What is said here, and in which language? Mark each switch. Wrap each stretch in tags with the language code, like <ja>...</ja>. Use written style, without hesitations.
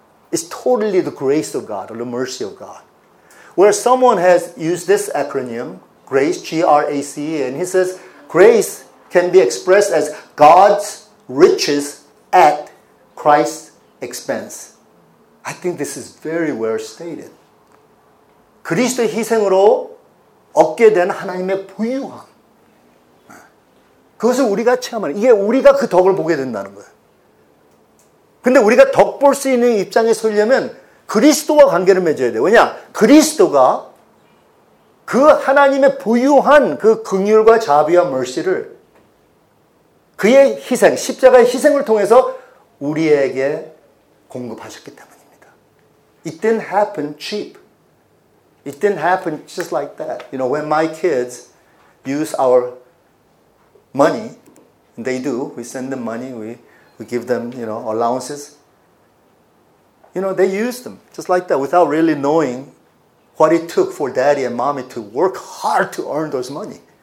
<en>It's totally the grace of God, or the mercy of God. Where someone has used this acronym, GRACE, G-R-A-C-E, and he says, grace can be expressed as God's riches at Christ's expense. I think this is very well stated.</en> <ko>그리스도의 희생으로 얻게 된 하나님의 부유함. 그것을 우리가 체험하는, 이게 우리가 그 덕을 보게 된다는 거예요. 근데 우리가 덕 볼 수 있는 입장에 서려면 그리스도와 관계를 맺어야 돼요. 왜냐? 그리스도가 그 하나님의 부유한 그 긍휼과 자비와 mercy를 그의 희생, 십자가의 희생을 통해서 우리에게 공급하셨기 때문입니다.</ko> <en>It didn't happen cheap. It didn't happen just like that. You know, when my kids use our money, and they do, we send them money, we give them, you know, allowances. You know, they use them just like that without really knowing what it took for daddy and mommy to work hard to earn those money.</en>